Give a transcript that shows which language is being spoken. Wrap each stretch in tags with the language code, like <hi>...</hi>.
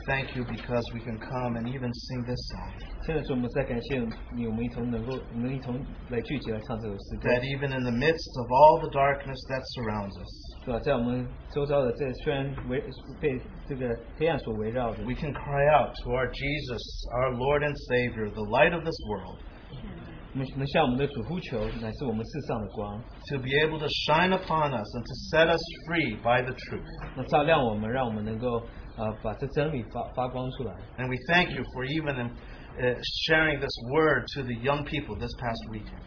<en>thank you because we can come and even sing this song.</en> <zh>现在主我们再感谢你，我们一同能够，我们一同来聚集来唱这首诗歌。</zh> <en>That even in the midst of all the darkness that surrounds us,</en> <zh>是吧，在我们周遭的这虽然被这个黑暗所围绕着，</zh> <en>we can cry out to our Jesus, our Lord and Savior, the light of this world.</en> <zh>我们能向我们的主呼求，乃是我们世上的光。</zh> <en>To be able to shine upon us and to set us free by the truth.</en> <zh>那照亮我们，让我们能够把这真理发光出来。</zh> <en>And we thank you for even sharing this word to the young people this past week.</en>